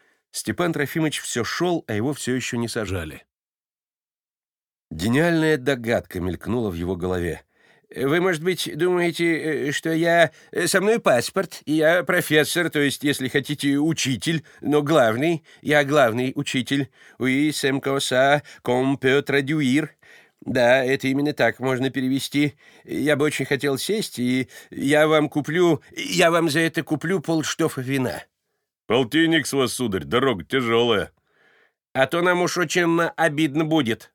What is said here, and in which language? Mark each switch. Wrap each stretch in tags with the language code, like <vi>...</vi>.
<ru>Степан Трофимович все шел, а его все еще не сажали. Гениальная догадка мелькнула в его голове. «Вы, может быть, думаете, что я... Со мной паспорт, я профессор, то есть, если хотите, учитель, но главный, я главный учитель.</ru> <fr>Oui, c'est comme ça, qu'on peut traduire.</fr> <ru>Да, это именно так можно перевести. Я бы очень хотел сесть, и я вам куплю... Я вам за это куплю полштофа вина». «Полтинник с вас, сударь, дорога тяжелая». «А то нам уж очень обидно будет»,</ru>